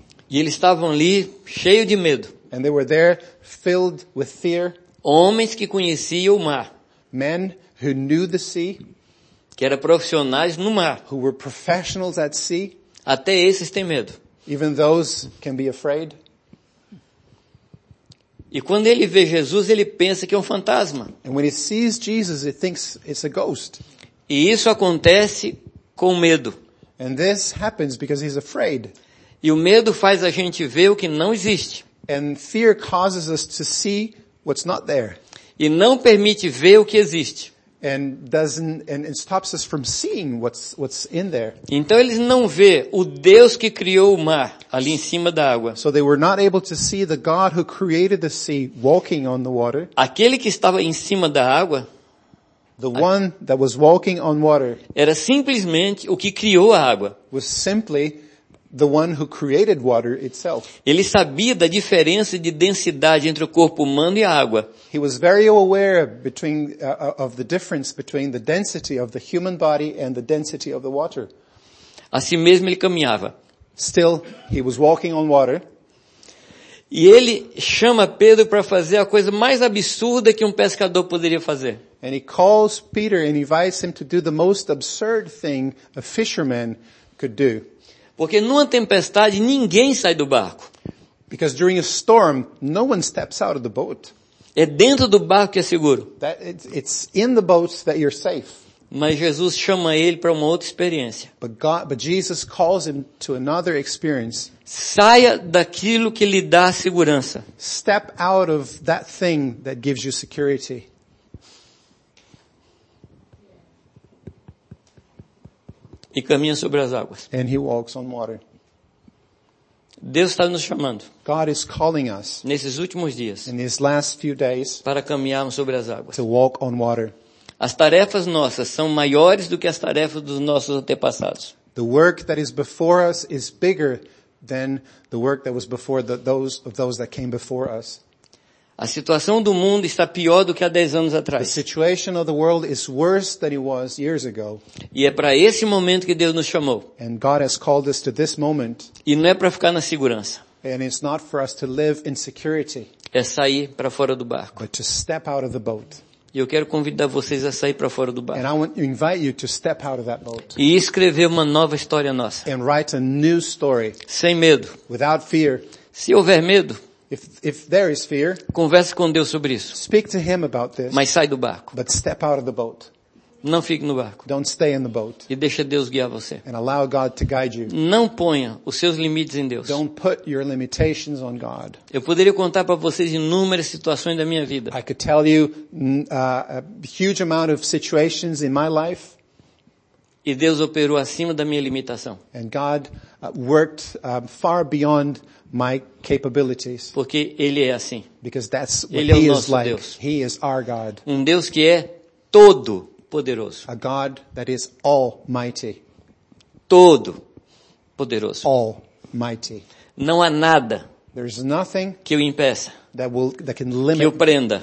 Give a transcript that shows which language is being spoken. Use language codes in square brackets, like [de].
[pt] E eles estavam ali cheio de medo. [en] And they were there filled with fear. [pt] Homens que conheciam o mar. [en] Men who knew the sea. [pt] Que eram profissionais no mar. [en] Who were professionals at sea. [pt] Até esses têm medo. [en] Even those can be afraid. [pt] E quando ele vê Jesus, ele pensa que é um fantasma. [en] And when he sees Jesus, he thinks it's a ghost. [pt] E isso acontece com medo. [en] And this happens because he's afraid. [pt] E o medo faz a gente ver o que não existe. [en] And fear causes us to see what's not there. [pt] E não permite ver o que existe. [en] And doesn't and it stops us from seeing what's in there. [pt] Então eles não vê o Deus que criou o mar ali em cima da água. [en] So they were not able to see the God who created the sea walking on the water. [pt] Aquele que estava em cima da água, [en] the one that was walking on water, [pt] era simplesmente o que criou a água. [en] Was simply the one who created water itself. [pt] Ele sabia da diferença de densidade entre o corpo humano e a água. [en] He was very aware between of the difference between the density of the human body and the density of the water. [pt] Assim mesmo ele caminhava. [en] Still he was walking on water. [pt] E ele chama Pedro para fazer a coisa mais absurda que um pescador poderia fazer. [en] And he calls Peter and invites him to do the most absurd thing a fisherman could do. [pt] Porque numa tempestade ninguém sai do barco. [en] Because during a storm, no one steps out of the boat. [pt] É dentro do barco que é seguro. [en] That it's in the boats that you're safe. [pt] Mas Jesus chama ele para uma outra experiência. [en] But Jesus calls him to another experience. [pt] Saia daquilo que lhe dá segurança. [en] Step out of that thing that gives you security. [pt] E caminha sobre as águas. [en] And he walks on water. [pt] Deus está nos chamando. [en] God is calling us. [pt] Nesses últimos dias. [en] In these last few days. [pt] Para caminharmos sobre as águas. [en] To walk on water. [pt] As tarefas nossas são maiores do que as tarefas dos nossos antepassados. [en] The work that is before us is bigger than the work that was before those that came before us. [pt] A situação do mundo está pior do que há 10 anos atrás. [en] The situation of the world is worse than it was years ago. [pt] E é para esse momento que Deus nos chamou. [en] And God has called us to this moment. [pt] E não é para ficar na segurança. [en] And it's not for us to live in security. [pt] É sair para fora do barco. [en] But to step out of the boat. [pt] E eu quero convidar vocês a sair para fora do barco. [en] And I want to invite you to step out of that boat. [pt] E escrever uma nova história nossa. [en] And write a new story. [pt] Sem medo. [en] Without fear. [pt] Se houver medo, [en] if there is fear, [pt] converse com Deus sobre isso. [en] Speak to him about this. [pt] Mas sai do barco. [en] But step out of the boat. [pt] Não fique no barco. [en] Don't stay in the boat. [pt] E deixa Deus guiar você. [en] And allow God to guide you. [pt] Não ponha os seus limites em Deus. [en] Don't put your limitations on God. [pt] Eu poderia contar para vocês inúmeras situações da minha vida. [en] I could tell you a huge amount of situations in my life. [pt] E Deus operou acima da minha limitação. [en] And God worked far beyond my capabilities. [pt] Porque ele é assim. [en] Because that's what [pt] ele é [en] he [pt] o [en] is [pt] nosso [en] like. [pt] Deus. [en] He is our God. [pt] Um Deus que é todo poderoso. [en] A God that is almighty. [pt] Todo poderoso. [en] Almighty. [pt] Não há nada. [en] There is nothing [pt] que o impeça. [en] That can limit. [pt] Que o prenda.